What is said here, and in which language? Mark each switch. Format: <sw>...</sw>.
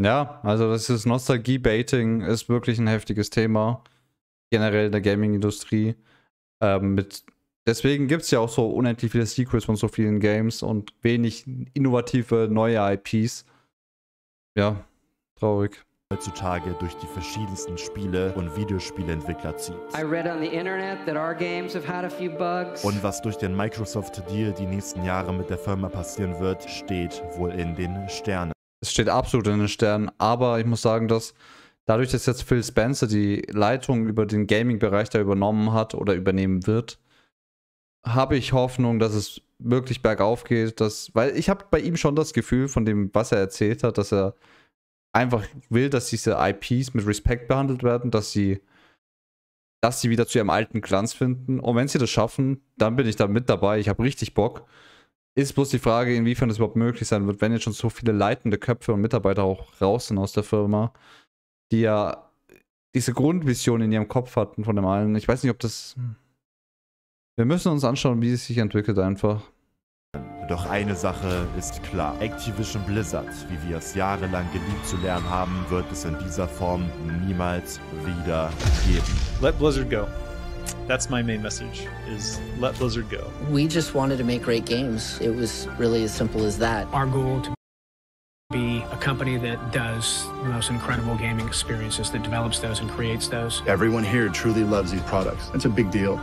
<de>Ja, also das ist Nostalgie-Baiting ist wirklich ein heftiges Thema, generell in der Gaming-Industrie. Deswegen gibt es ja auch so unendlich viele Sequels von so vielen Games und wenig innovative neue IPs. Ja, traurig. Heutzutage durch die verschiedensten Spiele und Videospielentwickler zieht.</de> <en>I read on the internet that our games have had a few bugs.</en> <de>Und was durch den Microsoft Deal die nächsten Jahre mit der Firma passieren wird, steht wohl in den Sternen. Es steht absolut in den Sternen, aber ich muss sagen, dass dadurch, dass jetzt Phil Spencer die Leitung über den Gaming-Bereich da übernommen hat oder übernehmen wird, habe ich Hoffnung, dass es wirklich bergauf geht, dass, weil ich habe bei ihm schon das Gefühl von dem, was er erzählt hat, dass er einfach will, dass diese IPs mit Respekt behandelt werden, dass sie wieder zu ihrem alten Glanz finden. Und wenn sie das schaffen, dann bin ich da mit dabei. Ich habe richtig Bock. Ist bloß die Frage, inwiefern das überhaupt möglich sein wird, wenn jetzt schon so viele leitende Köpfe und Mitarbeiter auch raus sind aus der Firma, die ja diese Grundvision in ihrem Kopf hatten von dem allen. Ich weiß nicht, ob das... Wir müssen uns anschauen, wie es sich entwickelt einfach. Doch eine Sache ist klar. Activision Blizzard, wie wir es jahrelang geliebt zu lernen haben, wird es in dieser Form niemals wieder geben.</de> <en>Let Blizzard go. That's my main message, is let Blizzard go. We just wanted to make great games. It was really as simple as that. Our goal to be a company that does the most incredible gaming experiences, that develops those and creates those. Everyone here truly loves these products. That's a big deal.</en>